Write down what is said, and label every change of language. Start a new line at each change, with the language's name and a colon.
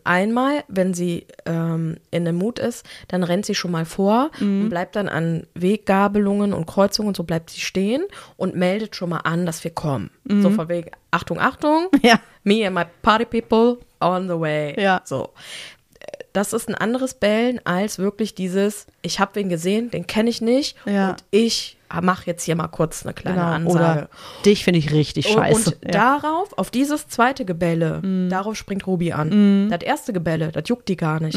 German: Einmal, wenn sie in dem Mut ist, dann rennt sie schon mal vor und bleibt dann an Weggabelungen und Kreuzungen und so bleibt sie stehen und meldet schon mal an, dass wir kommen. Mhm. So von wegen, Achtung, Achtung, ja.
English: Me and my party people on the way.
German: Ja. So. Das ist ein anderes Bellen als wirklich dieses, ich habe wen gesehen, den kenne ich nicht und ich mache jetzt hier mal kurz eine kleine Ansage. Oder dich finde ich richtig scheiße. Und darauf, auf dieses zweite Gebelle, darauf springt Ruby an. Mm. Das erste Gebelle, das juckt die gar nicht.